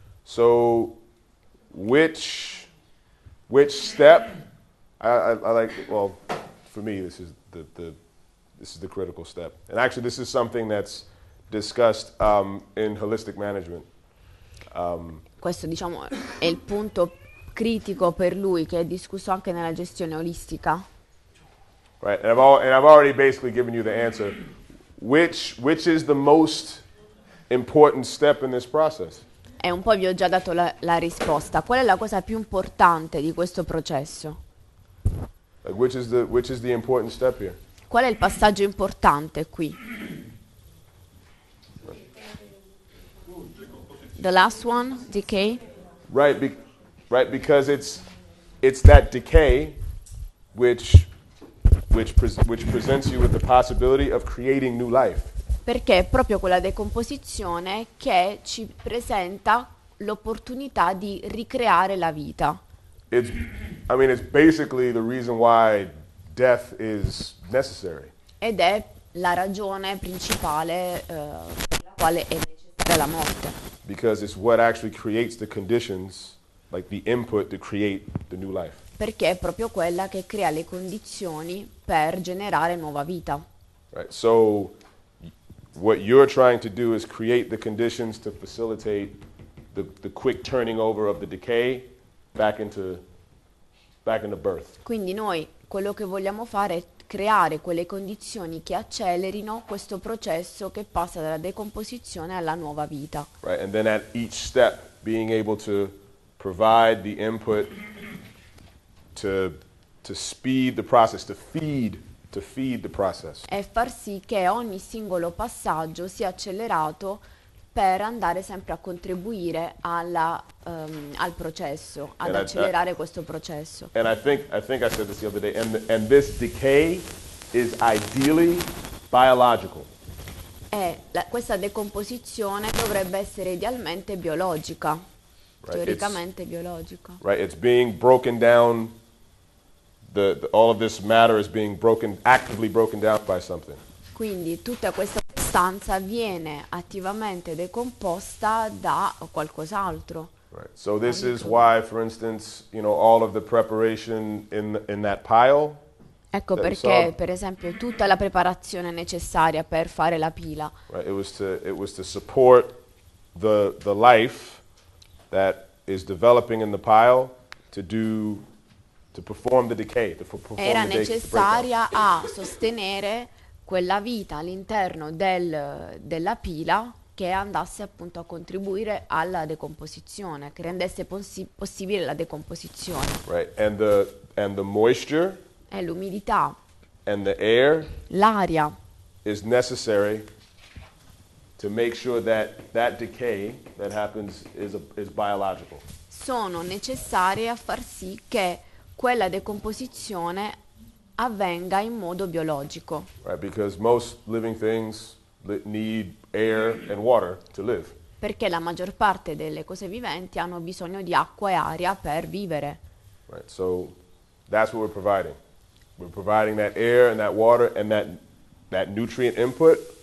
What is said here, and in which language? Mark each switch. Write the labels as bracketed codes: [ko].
[en] So which step I like, well, for me this is the critical step. And actually this is something that's discussed in holistic management. [it] Questo diciamo è il punto critico per lui che è discusso anche nella gestione olistica. [en] Right. And I've already basically given you the answer. Which is the most important step in this process? [it] E un po' vi ho già dato la risposta. Qual è la cosa più importante di questo processo? [en] Like which is the important step here? [it] Qual è il passaggio importante qui? [en] The last one, decay. Right, because it's that decay which presents you with the possibility of creating new life. [it] Perché è proprio quella decomposizione che ci presenta l'opportunità di ricreare la vita. [en] It's basically the reason why death is necessary. [it] Ed è la ragione principale per la quale è necessaria la morte. [en] Because it's what actually creates the conditions, like the input to create the new life. [it] Perché è proprio quella che crea le condizioni per generare nuova vita. [en] Right. So what you're trying to do is create the conditions to facilitate the quick turning over of the decay back into birth. [it] Quindi noi quello che vogliamo fare è creare quelle condizioni che accelerino questo processo che passa dalla decomposizione alla nuova vita. [en] Right, and then at each step being able to provide the input to speed the process, to feed the process. [it] E far sì che ogni singolo passaggio sia accelerato per andare sempre a contribuire al processo, ad accelerare questo processo. [en] And I think I said this the other day, and this decay is ideally biological. [it] E questa decomposizione dovrebbe essere idealmente biologica, right, teoricamente biologica. [en] Right, it's being broken down. The all of this matter is being broken, actively broken down by something. [it] Quindi tutta questa sostanza viene attivamente decomposta da qualcos'altro. [en] Right. So this is why, for instance, you know, all of the preparation in that pile. [it] Ecco perché, per esempio, tutta la preparazione necessaria per fare la pila. [en] Right. It was to support the life that is developing in the pile to do. To perform the decay, [it] era necessaria a sostenere quella vita all'interno della pila che andasse appunto a contribuire alla decomposizione, che rendesse possibile la decomposizione. [en] Right, and the moisture [it] e l'umidità [en] and the air [it] l'aria [en] is necessary to make sure that decay that happens is biological. [it] Sono necessarie a far sì che quella decomposizione avvenga in modo biologico. [en] Right, because most living things need air and water to live. [it] Perché la maggior parte delle cose viventi hanno bisogno di acqua e aria per vivere. [en] Right. So that's what we're providing. We're providing that air and that water and that nutrient input.